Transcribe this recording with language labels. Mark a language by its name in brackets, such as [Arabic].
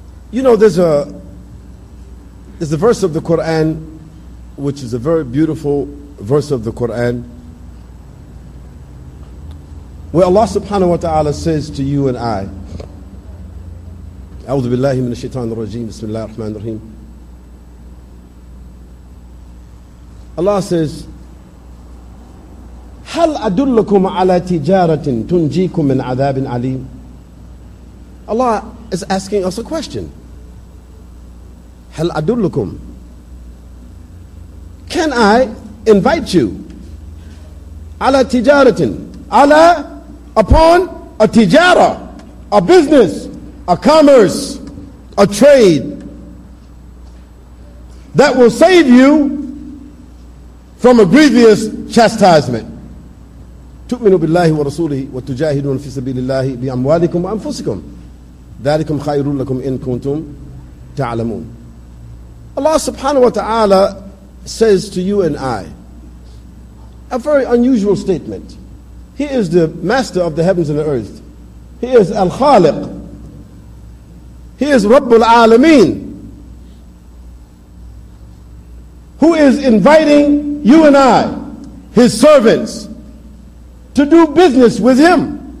[English] You know, there's a verse of the Quran, which is a very beautiful verse of the Quran, where Allah subhanahu wa ta'ala says to you and I, [Arabic] أعوذ بالله من الشيطان الرجيم بسم الله الرحمن الرحيم. [English] Allah says, [Arabic] هل أدلكم على تجارة تنجيكم من عذاب عليم. [English] Allah is asking us a question. [Arabic] هل أدلكم, [English] can I invite you, [Arabic] على تجارة, [English] على, upon a tijara, a business, a commerce, a trade, that will save you from a grievous chastisement. [Arabic] تؤمنوا بالله ورسوله وتجاهدون في سبيل الله بأموالكم وأنفسكم ذلكم خير لكم إن كنتم تعلمون. [English] Allah subhanahu wa ta'ala says to you and I, a very unusual statement. He is the master of the heavens and the earth. He is Al-Khaliq. He is Rabbul Alameen, who is inviting you and I, his servants, to do business with him.